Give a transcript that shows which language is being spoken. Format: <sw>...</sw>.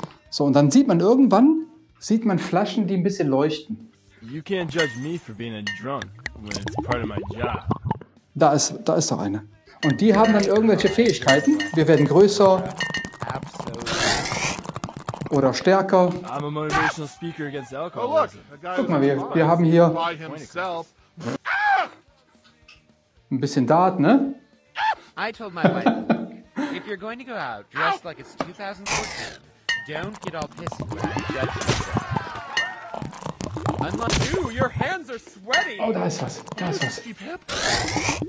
<de>So, und dann sieht man irgendwann, sieht man Flaschen, die ein bisschen leuchten.</de> <en>You can't judge me for being a drunk when it's part of my job.</en> <de>Da ist doch eine. Und die haben dann irgendwelche Fähigkeiten. Wir werden größer. Oder stärker.</de> <en>I'm a motivational speaker against alcohol. Oh, look.</en> <de>Guck mal, wir haben hier ein bisschen Dart, ne?</de> <en>I told my wife, if you're going to go out dressed like it's 2014, don't get all pissy when you judge yourself. Unlock you, your hands are sweaty.</en> <de>Oh, da ist was. Da ist was.</de>